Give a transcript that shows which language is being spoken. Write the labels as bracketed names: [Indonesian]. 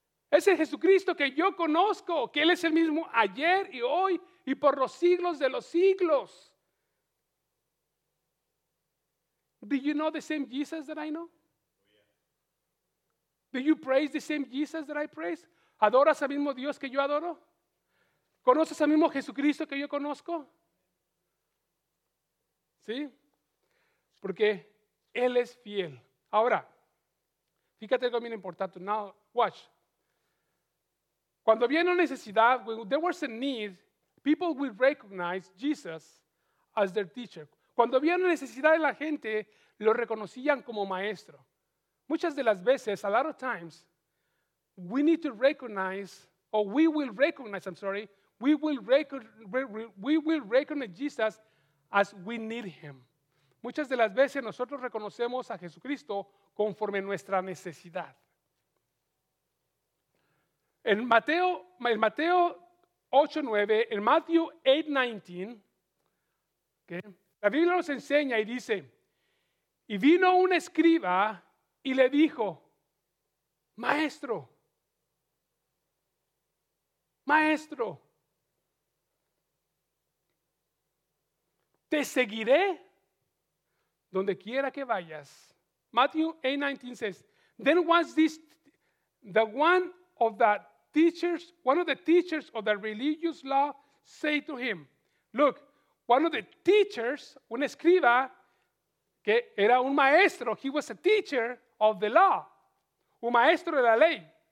[Spanish] Ese Jesucristo que yo conozco, que Él es el mismo ayer y hoy y por los siglos de los siglos. [English] Do you know the same Jesus that I know? Do you praise the same Jesus that I praise? [Spanish] ¿Adoras al mismo Dios que yo adoro? ¿Conoces al mismo Jesucristo que yo conozco? ¿Sí? Porque Él es fiel. Ahora, fíjate algo bien importante. [English] Now, watch. [Spanish] Cuando viene una necesidad, [English] when there was a need, people would recognize Jesus as their teacher. [Spanish] Cuando viene una necesidad de la gente, lo reconocían como maestro. Muchas de las veces, [English] a lot of times, we need to recognize, or we will recognize, I'm sorry, we will recognize Jesus as we need him. [Spanish] Muchas de las veces nosotros reconocemos a Jesucristo conforme nuestra necesidad. En Mateo, 8:9, en Matthew 8:19, okay, la Biblia nos enseña y dice, y vino un escriba y le dijo, maestro, maestro, te seguiré donde quiera que vayas. [English] Matthew 8:19 says, then was this the one of that teachers, one of the teachers of the religious law say to him, look, one of the teachers, [Spanish] un escriba, que era un maestro, [English] he was a teacher of the law, [Spanish] un maestro de la ley.